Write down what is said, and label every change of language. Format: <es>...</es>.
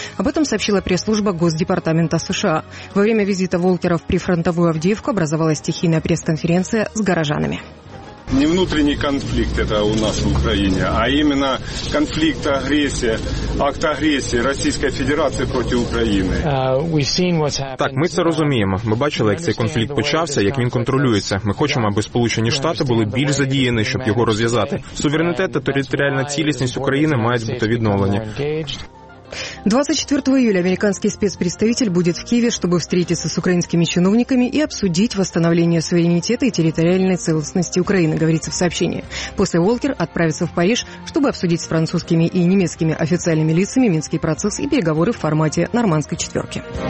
<ru>Об этом сообщила пресс-служба Госдепартамента США. Во время визита Волкера в прифронтовую Авдеевку образовалась стихийная пресс-конференция с горожанами. Не внутренний конфликт это у нас в Украине, а именно конфликт, агрессия, акт агрессии Российской Федерации против Украины.</ru> <uk>Так, ми це розуміємо. Ми бачили, як цей конфлікт почався, як він контролюється. Ми хочемо, аби Сполучені Штати були більш задіяні, щоб його розв'язати. Суверенітет та територіальна цілісність України мають бути відновлені.</uk> <ru>24 июля американский спецпредставитель будет в Киеве, чтобы встретиться с украинскими чиновниками и обсудить восстановление суверенитета и территориальной целостности Украины, говорится в сообщении. После Волкер отправится в Париж, чтобы обсудить с французскими и немецкими официальными лицами минский процесс и переговоры в формате «нормандской четверки».</ru>